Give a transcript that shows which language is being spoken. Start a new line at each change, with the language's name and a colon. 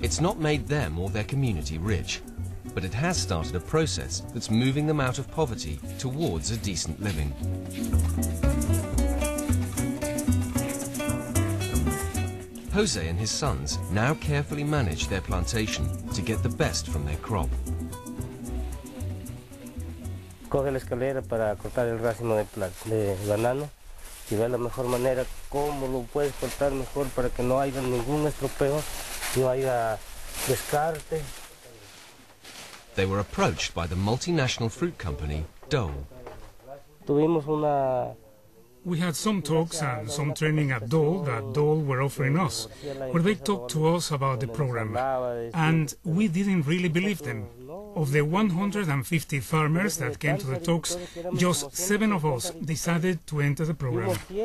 English: It's not made them or their community rich, but it has started a process that's moving them out of poverty towards a decent living. Jose and his sons now carefully manage their plantation to get the best from their crop.
Spanish: Coge la escalera para cortar el racimo de banano y ve la mejor manera cómo lo puedes cortar mejor para que no haya ningún estropeo, no haya descarte.
English: They were approached by the multinational fruit company, Dole. We had some talks and some training at Dole that Dole were offering us, where they talked to us about the program. And we didn't really believe them. Of the 150 farmers that came to the talks, just 7 of us decided to enter the program.